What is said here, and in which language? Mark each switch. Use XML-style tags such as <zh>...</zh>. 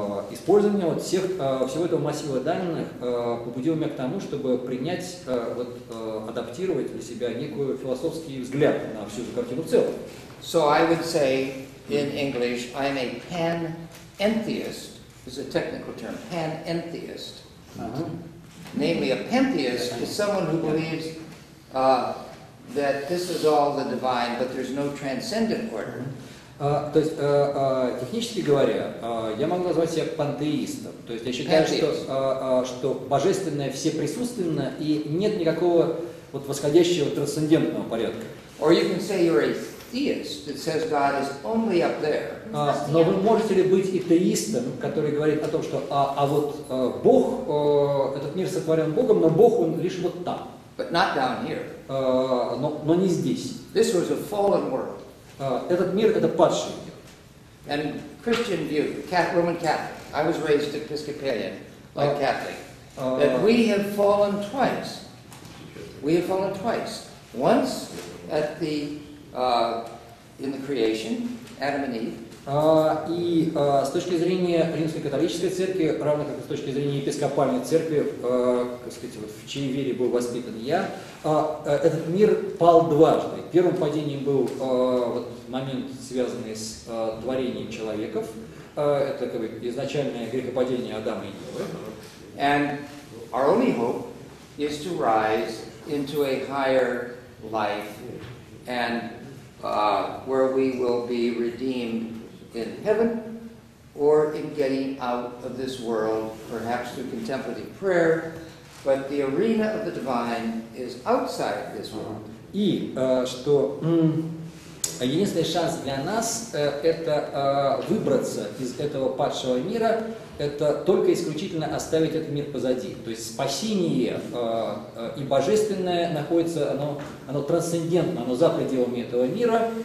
<ru>Использование вот всех, всего этого массива данных побудило меня к тому, чтобы принять, вот, адаптировать для себя некую философский взгляд на всю эту картину в целом.</ru> <en>So I would say in English, I'm a panentheist. It's a technical term. Panentheist. Uh-huh. Namely, a pantheist is someone who believes that this is all the divine, but there's no transcendent order.</en> <ru>То есть, технически говоря, я могу назвать себя пантеистом. То есть я считаю, что, что божественное всеприсутственно и нет никакого вот восходящего трансцендентного порядка.</ru> <en>Or you can say you're a theist that says God is only up there.</en> <ru>Но вы можете ли быть атеистом, который говорит о том, что Бог, этот мир сотворен Богом, но Бог он лишь вот там.</ru> <en>But not down here.</en> <ru>Но не здесь.</ru> <en>This was a fallen world.</en> <ru>Этот мир — это падший мир.</ru> <en>And Christian view, Roman Catholic. I was raised Episcopalian, like Catholic. That we have fallen twice. We have fallen twice. Once at the in the creation, Adam and Eve.</en> <ru>С точки зрения Римской католической церкви, равно как и с точки зрения епископальной церкви, как сказать, вот в чьей вере был воспитан я, этот мир пал дважды. Первым падением был вот момент, связанный с творением человеков, это как бы изначальное грехопадение Адама и Евы.</ru> <en>And our only hope is to rise into a higher life and where we will be redeemed. In heaven, or in getting out of this world, perhaps through contemplative prayer, but the arena of the divine is outside this world.</en> <ru>И что единственный шанс для нас это выбраться из этого падшего мира, это только исключительно оставить этот мир позади. То есть спасение и божественное находится, оно трансцендентно, оно за пределами этого мира.</ru>